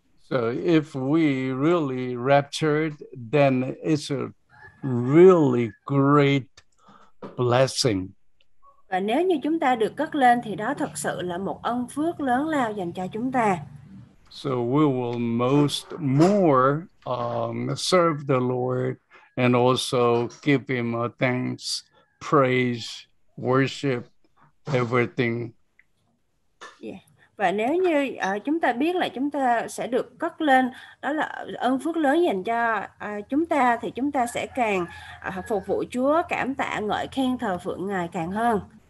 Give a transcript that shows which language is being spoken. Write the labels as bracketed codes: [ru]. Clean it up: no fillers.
[en] So if we really raptured, then it's a really great blessing. [vi] Và nếu như chúng ta được cất lên thì đó thật sự là một ân phước lớn lao dành cho chúng ta. [en] So we will most more serve the Lord and also give him a thanks, praise, worship, everything. Yeah. [vi] Và nếu như chúng ta biết là chúng ta sẽ được cất lên, đó là ơn phước lớn dành cho chúng ta, thì chúng ta sẽ càng phục vụ Chúa, cảm tạ, ngợi khen, thờ phượng Ngài càng hơn.